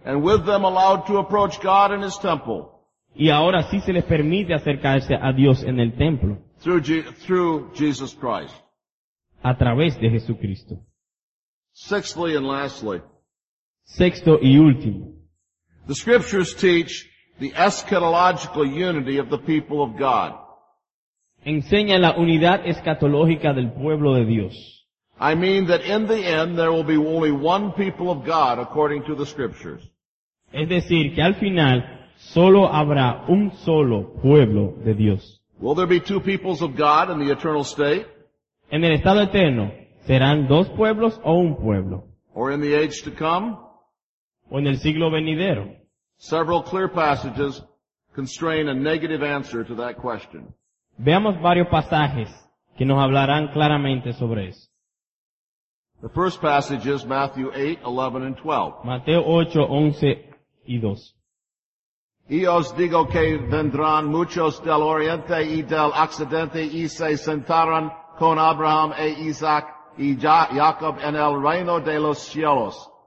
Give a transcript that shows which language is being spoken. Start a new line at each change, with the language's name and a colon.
English: And with them allowed to approach God in his temple.
Spanish: Y ahora sí se les permite acercarse a Dios en el templo.
English: Through Jesus Christ.
Spanish: A través de Jesucristo.
English: Sixthly and lastly.
Spanish: Sexto y último.
English: The scriptures teach the eschatological unity of the people of God.
Spanish: Enseña la unidad escatológica del pueblo de Dios.
English: I mean that in the end there will be only one people of God according to the scriptures.
Spanish: Es decir, que al final solo habrá un solo pueblo de Dios.
English: Will there be two peoples of God in the eternal state?
Spanish: En el estado eterno, ¿serán dos pueblos o un pueblo?
English: Or in the age to come?
Spanish: O en el siglo venidero.
English: Several clear passages constrain a negative answer to that question.
Spanish: Veamos varios pasajes que nos hablarán claramente sobre eso.
English: The first passage is Matthew 8, 11 and 12.
Spanish: Mateo 8, 11 y 12. Y os digo que vendrán muchos del oriente y del occidente y se sentarán con Abraham e Isaac y Jacob en el reino de los cielos.